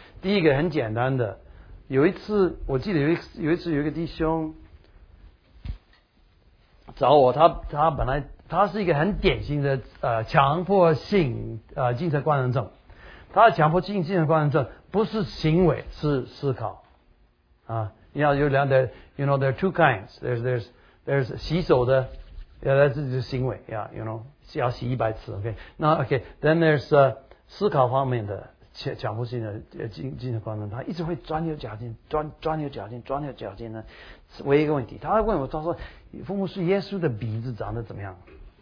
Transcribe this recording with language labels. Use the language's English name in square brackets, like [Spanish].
[Chinese] 第一个很简单的，有一次我记得有一次有一个弟兄找我，他本来他是一个很典型的强迫性精神官能症，他的强迫性精神官能症不是行为，是思考啊。你要有两个 [English] ，you know there are two kinds. There's [Chinese] 洗手的，那这就是行为 ， [English] yeah, you know [Chinese] 是要洗100次 ，OK. 那 [English] OK, then there's [Chinese] 思考方面的强迫性的精神官能，他一直会钻牛角尖，钻牛角尖呢。唯一一个问题，他问我，他说：“父母是耶稣的鼻子长得怎么样？”